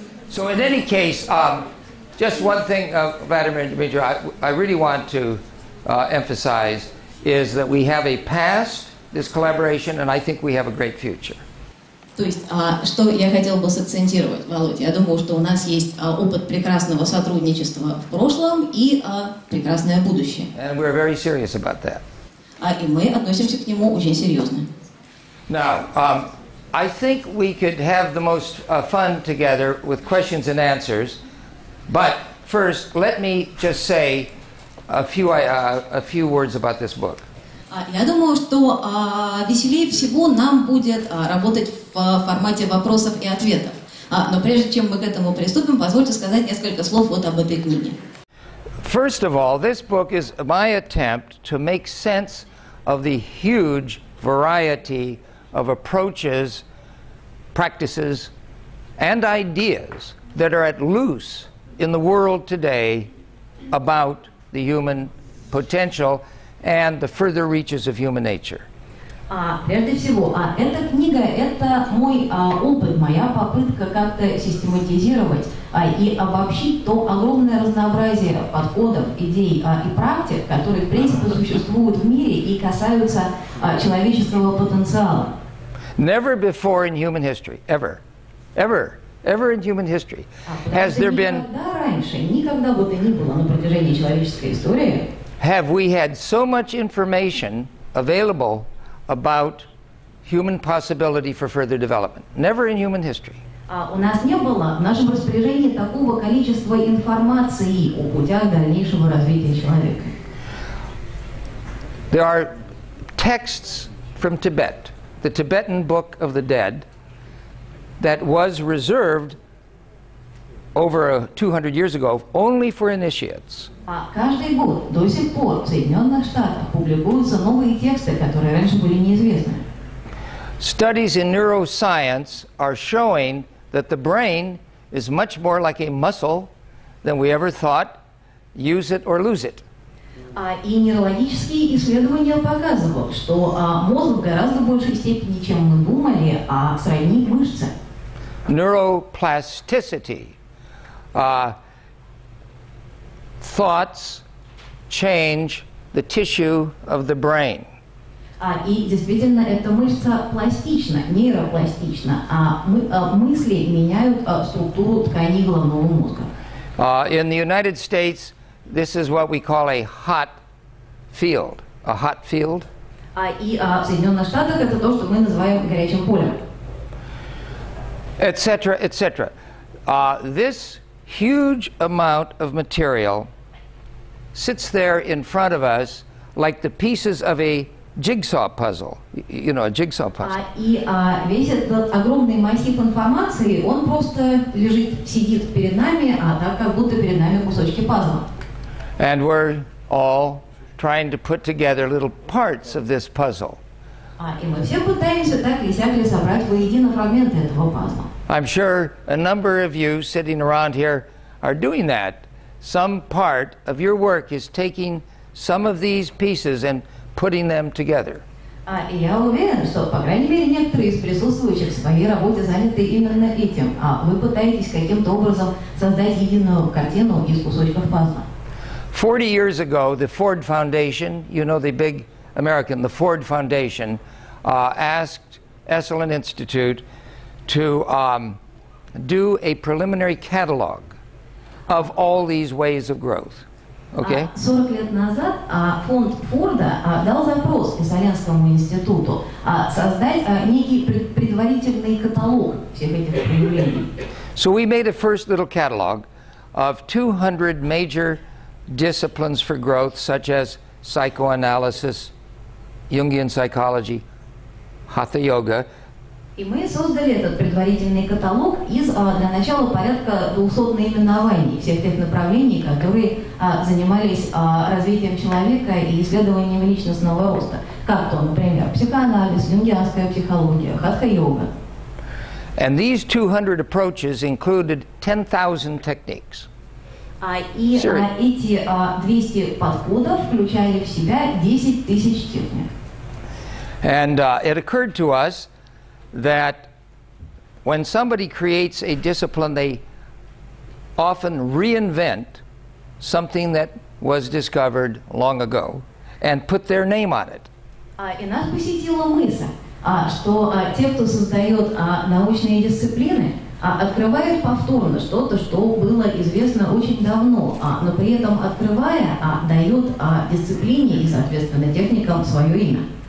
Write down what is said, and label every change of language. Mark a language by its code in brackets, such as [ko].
[en] So in any case, just one thing, Vladimir Dmitriyevich, I really want to emphasize is that we have a past, this collaboration, and I think we have a great future. [ru] То есть, что я хотел бы сакцентировать, Володя, я думаю, что у нас есть опыт прекрасного сотрудничества в прошлом и прекрасное будущее. [en] And we're very serious about that. [ru] И мы относимся к нему очень серьезно. [en] Now, I think we could have the most fun together with questions and answers, but first, let me just say a few words about this book. [ru] Я думаю, что веселее всего нам будет работать в формате вопросов и ответов. Но прежде чем мы к этому приступим, позвольте сказать несколько слов вот об этой книге. [en] First of all, this book is my attempt to make sense of the huge variety of approaches, practices, and ideas that are at loose in the world today about the human potential and the further reaches of human nature. [ru] Эта книга – это мой опыт, моя попытка как-то систематизировать и обобщить то огромное разнообразие подходов, идей и практик, которые, в принципе, существуют в мире и касаются человеческого потенциала. [en] Never before in human history, ever, ever, ever in human history, has there been... [ru] Никогда бы то ни было на протяжении человеческой истории... [en] Have we had so much information available about human possibility for further development? Never in human history. [ru] У нас не было в нашем распоряжении такого количества информации о путях дальнейшего развития человека. [en] There are texts from Tibet, the Tibetan Book of the Dead, that was reserved over 200 years ago only for initiates. [ru] Каждый год до сих пор в Соединенных Штатах публикуются новые тексты, которые раньше были неизвестны. [en] Studies in neuroscience are showing that the brain is much more like a muscle than we ever thought, use it or lose it. [ru] И нейрологические исследования показывают, что мозг в гораздо большей степени, чем мы думали, сродни мышце. [en] Neuroplasticity. Thoughts change the tissue of the brain. [ru] И действительно, эта мышца пластична, нейропластична, а мысли меняют структуру тканей головного мозга. [en] In the United States, this is what we call a hot field. A hot field. [ru] И в Соединенных Штатах это то, что мы называем горячим полем. [en] Etc., etc. This huge amount of material sits there in front of us like the pieces of a jigsaw puzzle. You know, a jigsaw puzzle. [ru] И весь этот огромный массив информации, он просто лежит, сидит перед нами, так как будто перед нами кусочки пазла. [en] And we're all trying to put together little parts of this puzzle. [ru] И мы все пытаемся так или сяк собрать воедино фрагменты этого пазла. [en] I'm sure a number of you sitting around here are doing that. Some part of your work is taking some of these pieces and putting them together. [ru] Я уверен, что, по крайней мере, некоторые из присутствующих в своей работе заняты именно этим. Вы пытаетесь каким-то образом создать единую картину из кусочков пазла. [en] 40 years ago, the Ford Foundation, you know, the big American, the Ford Foundation, asked Esalen Institute to do a preliminary catalog of all these ways of growth. Okay? [ru] 40 лет назад фонд Форда дал запрос Эссаленскому институту создать некий предварительный каталог всех этих проявлений. [en] So we made a first little catalog of 200 major disciplines for growth, such as psychoanalysis, Jungian psychology, Hatha yoga, [ru] И мы создали этот предварительный каталог из для начала порядка 200 наименований всех тех направлений, которые занимались развитием человека и исследованием личностного роста. Как то, например, психоанализ, юнгианская психология, хатха-йога. [en] And these 200 approaches included 10,000 techniques. [ru] Эти 200 подходов включали в себя 10,000 техник. [en] And it occurred to us that when somebody creates a discipline, they often reinvent something that was discovered long ago and put their name on it. [ru] И нас посетила мысль, что те, кто создает научные дисциплины, открывают повторно что-то, что было известно очень давно, но при этом открывая, дают дисциплине и, соответственно, техникам свое имя.